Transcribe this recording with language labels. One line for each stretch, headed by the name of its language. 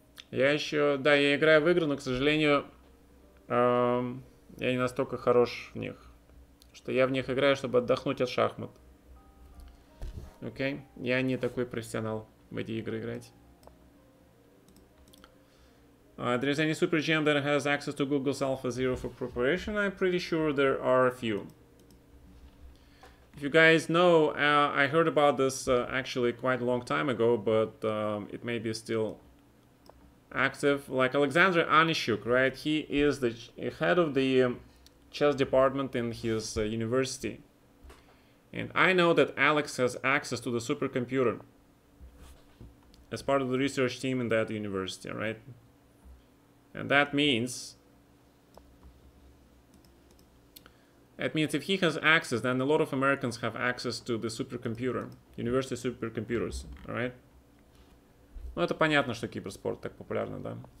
Russian: Я еще, да, я играю в игры, но, к сожалению, я не настолько хорош в них, что я в них играю, чтобы отдохнуть от шахмат. Окей, okay. Я не такой профессионал в эти игры играть.
English: There is any super GM that has access to Google's Alpha Zero for preparation? I'm pretty sure there are a few. If you guys know, I heard about this actually quite a long time ago, but it may be still active. Like Alexander Anishuk, right? He is the head of the chess department in his university. And I know that Alex has access to the supercomputer as part of the research team in that university, right? And that means if he has access, then a lot of Americans have access to the supercomputer, university supercomputers, all right?
Russian: Ну, это понятно, что киберспорт так популярно, да?